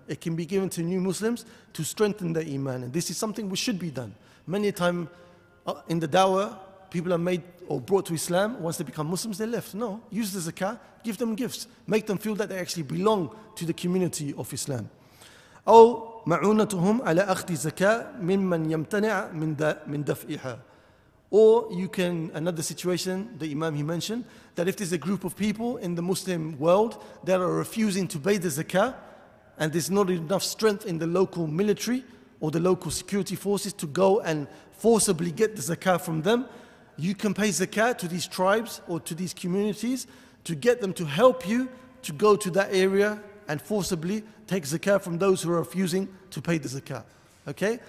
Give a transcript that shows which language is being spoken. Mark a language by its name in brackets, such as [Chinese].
[English] It can be given to new Muslims to strengthen their iman. And this is something which should be done. Many times in the dawah, people are made or brought to Islam. Once they become Muslims, they left. No, use the zakah, give them gifts. Make them feel that they actually belong to the community of Islam. [Arabic] أو معونتهم على أخذ زكاة ممن يمتنع من دفعها. [English] Or you can, another situation, the Imam he mentioned, that if there's a group of people in the Muslim world that are refusing to pay the zakah, and there's not enough strength in the local military or the local security forces to go and forcibly get the zakah from them, you can pay zakah to these tribes or to these communities to get them to help you to go to that area and forcibly take zakah from those who are refusing to pay the zakah. Okay?